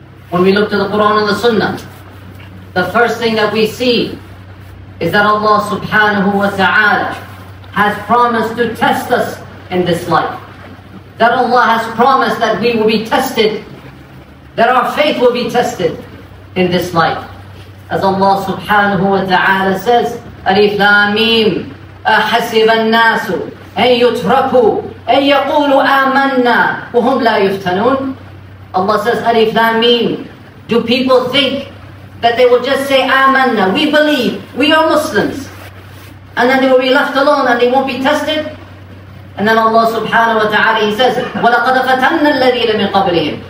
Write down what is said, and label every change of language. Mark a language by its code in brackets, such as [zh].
[en] When we look to the Quran and the Sunnah, the first thing that we see is that Allah subhanahu wa ta'ala has promised to test us in this life. That Allah has promised that we will be tested, that our faith will be tested in this life. As Allah subhanahu wa ta'ala says, Alif Lam Mim, [ar] أَحَسِبَ النَّاسُ أَن يُتْرَكُوا أَن يَقُولُوا آمَنَّا وَهُمْ لَا يُفْتَنُونَ. [en] Allah says, Alif Lam Mim, do people think that they will just say, آمَنَّا, we believe, we are Muslims, and then they will be left alone and they won't be tested? And then Allah subhanahu wa ta'ala, He says, [ar] وَلَقَدْ فَتَنَّ الَّذِينَ مِنْ قَبْلِهِمْ.